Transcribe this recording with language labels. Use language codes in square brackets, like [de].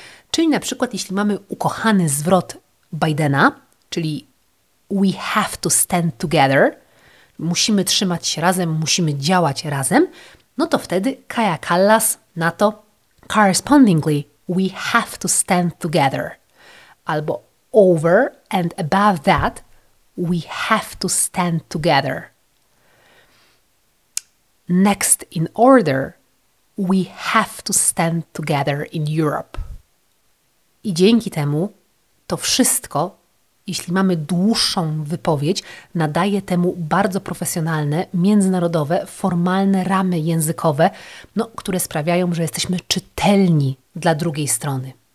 [pl] Czyli na przykład, jeśli mamy ukochany zwrot Bidena, czyli [en] we have to stand together, [pl] musimy trzymać się razem, musimy działać razem, no to wtedy Kaja Kallas na to [en] correspondingly, we have to stand together. Albo over and above that, we have to stand together. Next in order, we have to stand together in Europe. [pl] I dzięki temu to wszystko, jeśli mamy dłuższą wypowiedź, nadaje temu bardzo profesjonalne, międzynarodowe, formalne ramy językowe, no, które sprawiają, że jesteśmy czytelni dla drugiej strony.